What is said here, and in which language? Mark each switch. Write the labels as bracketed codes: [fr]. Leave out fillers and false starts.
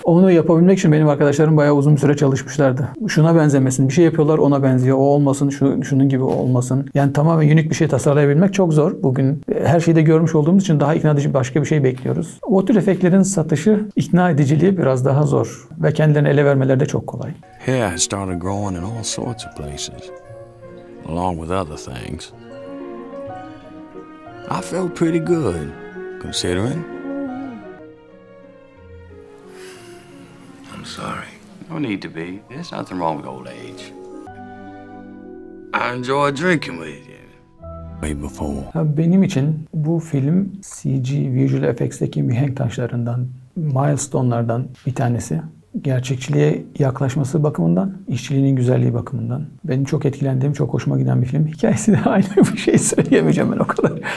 [tr] Onu yapabilmek için benim arkadaşlarım bayağı uzun süre çalışmışlardı. Şuna benzemesin. Bir şey yapıyorlar, ona benziyor. O olmasın, şunun gibi olmasın. Yani tamamen unik bir şey tasarlayabilmek çok zor. Bugün her şeyi de görmüş olduğumuz için daha ikna edici başka bir şey bekliyoruz. O tür efektlerin satışı, ikna ediciliği biraz daha zor. Ve kendilerini ele vermeleri de çok kolay. [en] Hair started growing in all sorts of places. Along with other things. I felt pretty good, considering. I'm sorry. No need to be. There's nothing wrong with old age. I enjoy drinking with you. Way before. [tr] Ha, benim için bu film CG visual effects'teki mihenk taşlarından, milestone'lardan bir tanesi. Gerçekçiliğe yaklaşması bakımından, işçiliğinin güzelliği bakımından. Benim çok etkilendiğim, çok hoşuma giden bir film. Hikayesi de aynı bir şey söyleyemeyeceğim ben o kadar.